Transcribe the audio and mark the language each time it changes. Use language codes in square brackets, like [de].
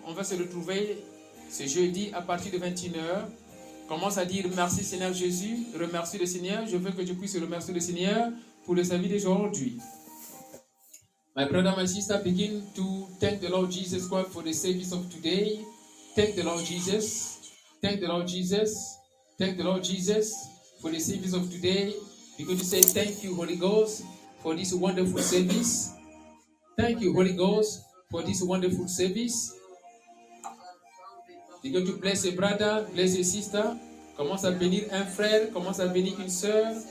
[fr] On va se retrouver ce jeudi à partir de 21h. Commence à dire merci Seigneur Jésus, remercie le Seigneur. Je veux que tu puisses remercier le Seigneur pour le salut d'aujourd'hui. [en] My brother, my sister, begin to thank the Lord Jesus Christ for the service of today. Thank the Lord Jesus. Thank the Lord Jesus. Thank the Lord Jesus for the service of today. Because you say thank you, Holy Ghost, for this wonderful service. Thank you, Holy Ghost, for this wonderful service. [fr] Dis que tu blesses un brother, blesses une sister. Commence à bénir un frère, commence à bénir une sœur.